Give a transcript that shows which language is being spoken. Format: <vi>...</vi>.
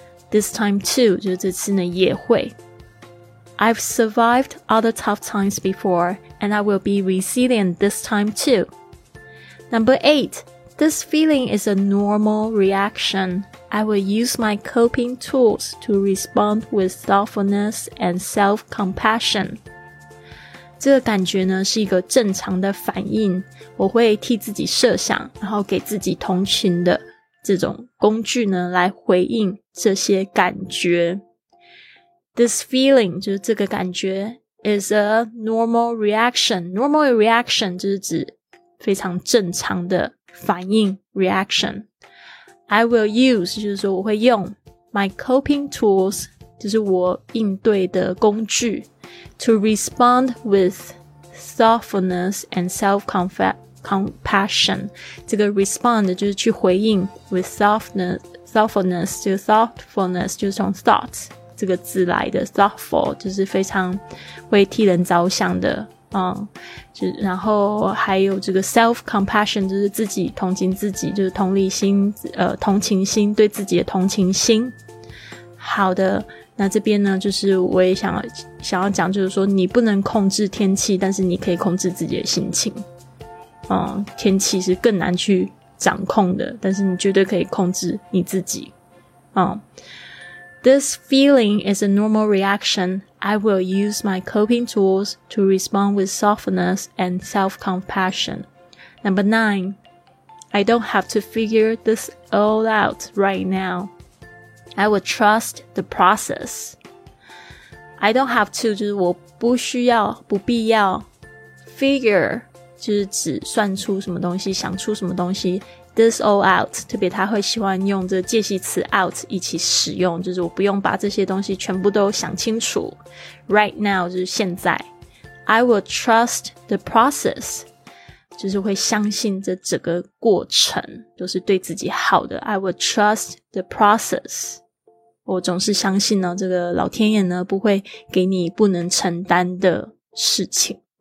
<en>this time too</en> <zh>就是这次呢也会</zh> <en>I've survived other tough times before and I will be resilient this time too number 8 this feeling is a normal reactionI will use my coping tools to respond with thoughtfulness and self-compassion.</en> <zh>这个感觉呢是一个正常的反应，我会替自己设想，然后给自己同情的这种工具呢来回应这些感觉。</zh> <en>This feeling</en> <zh>就是这个感觉</zh> <en>is a normal reaction. Normal reaction</en> <zh>就是指非常正常的反应 reaction.</zh> <en>I will use,</en> <zh>就是说我会用</zh> <en>my coping tools,</en> <zh>就是我应对的工具</zh> <en>to respond with thoughtfulness and self-compassion.</en> <zh>这个 respond 就是去回应</zh> <en>with thoughtfulness,</en> <zh>就是 thoughtfulness, 就是从 thought 这个字来的 thoughtful, 就是非常会替人着想的然后还有这个 self-compassion 就是自己同情自己就是同理心同情心对自己的同情心好的那这边呢就是我也想要讲就是说你不能控制天气但是你可以控制自己的心情天气是更难去掌控的但是你绝对可以控制你自己</zh> <en>This feeling is a normal reaction. I will use my coping tools to respond with softness and self-compassion. Number 9. I don't have to figure this all out right now. I will trust the process. I don't have to,</en> <zh>就是我不需要,不必要 figure, 就是指算出什么东西,想出什么东西。</zh> <en>This all out</en> <zh>特别他会喜欢用这个介系词 out 一起使用就是我不用把这些东西全部都想清楚</zh> <en>right now</en> <zh>就是现在</zh> <en>I will trust the process</en> <zh>就是会相信这整个过程都是对自己好的 I will trust the process 我总是相信呢这个老天爷呢不会给你不能承担的事情</zh>